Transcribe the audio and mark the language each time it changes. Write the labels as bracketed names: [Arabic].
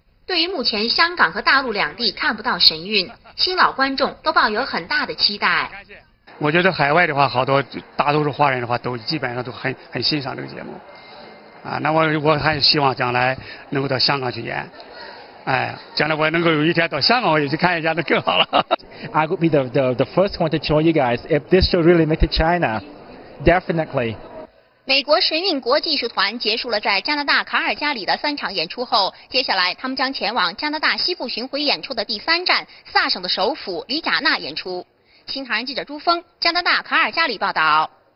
[Chinese] 对于目前香港和大陆两地看不到神韵，新老观众都抱有很大的期待。我觉得海外的话，好多大多数华人的话都基本上都很欣赏这个节目啊。那我还希望将来能够到香港去演，哎，将来我能够有一天到香港我也去看一下，那更好了。 [English] I would be the first one to join you guys if this show really made it China. Definitely. [Chinese] 美国神韵国际艺术团结束了在加拿大卡尔加里的三场演出后，接下来他们将前往加拿大西部巡回演出的第三站——萨省的首府里贾纳演出。新唐人记者朱峰，加拿大卡尔加里报道。